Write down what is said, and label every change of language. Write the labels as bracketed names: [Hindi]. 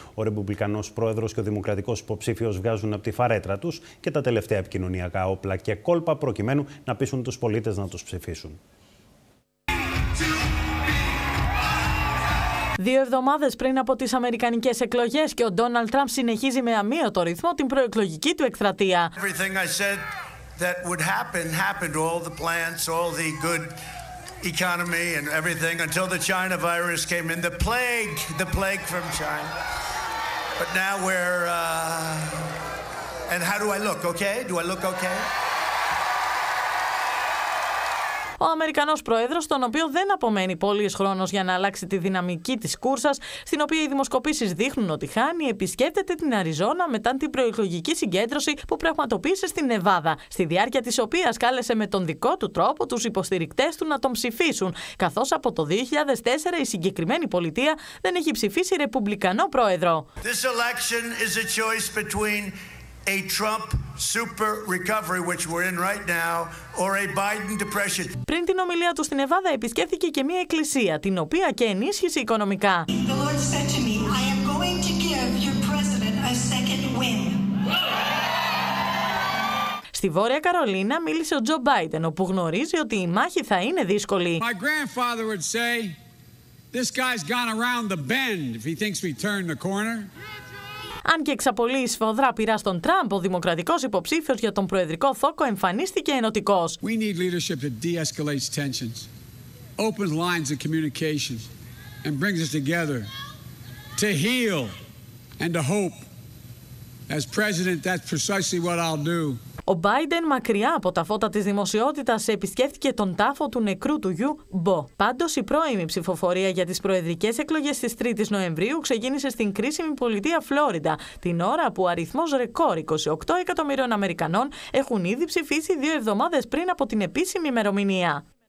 [Greek] Ο Ρεπουμπλικανός Πρόεδρος και ο Δημοκρατικός υποψήφιος βγάζουν από τη φαρέτρα τους και τα τελευταία επικοινωνιακά όπλα και κόλπα προκειμένου να πείσουν τους πολίτες να τους ψηφίσουν. 2 εβδομάδες πριν από τις αμερικανικές εκλογές και ο Ντόναλντ Τραμπ συνεχίζει με αμύωτο ρυθμό την προεκλογική του εκστρατεία. [English] Everything I said that would happen happened, all the plans, all the good economy and everything until the China virus came in, the plague from China. But now we're and how do I look, okay? Do I look okay? [Greek] Ο Αμερικανός Πρόεδρος, τον οποίο δεν απομένει πολύς χρόνος για να αλλάξει τη δυναμική της κούρσας, στην οποία οι δημοσκοπήσεις δείχνουν ότι χάνει, επισκέπτεται την Αριζόνα μετά την προεκλογική συγκέντρωση που πραγματοποίησε στη Νεβάδα, στη διάρκεια της οποίας κάλεσε με τον δικό του τρόπο τους υποστηρικτές του να τον ψηφίσουν, καθώς από το 2004 η συγκεκριμένη πολιτεία δεν έχει ψηφίσει Ρεπουμπλικανό Πρόεδρο. [English] This election is a choice between a Trump super recovery, which we're in right now, or a Biden depression. [Greek] Πριν την ομιλία του στην Νεβάδα, επισκέφθηκε και μια εκκλησία, την οποία και ενίσχυσε οικονομικά. [English] The Lord said to me, I am going to give your president a second win. [Greek] Στη Βόρεια Καρολίνα μίλησε ο Τζο Μπάιντεν, όπου γνωρίζει ότι η μάχη θα είναι δύσκολη. [English] My grandfather would say, this guy's gone around the bend if he thinks we turn the corner. [Greek] Αν και εξαπολύει σφοδρά πειρά στον Τραμπ, ο δημοκρατικός υποψήφιος για τον προεδρικό θόκο εμφανίστηκε ενωτικός. [English] We need leadership that de-escalates tensions, opens lines of communication and brings us together to heal and to hope. As president, that's precisely what I'll do. [Greek] Ο Μπάιντεν, μακριά από τα φώτα της δημοσιότητας, επισκέφθηκε τον τάφο του νεκρού του γιου Μπο. Πάντως, η πρώιμη ψηφοφορία για τις προεδρικές εκλογές της 3ης Νοεμβρίου ξεκίνησε στην κρίσιμη πολιτεία Φλόριντα, την ώρα που αριθμός ρεκόρ 28 εκατομμυρίων Αμερικανών έχουν ήδη ψηφίσει 2 εβδομάδες πριν από την επίσημη ημερομηνία.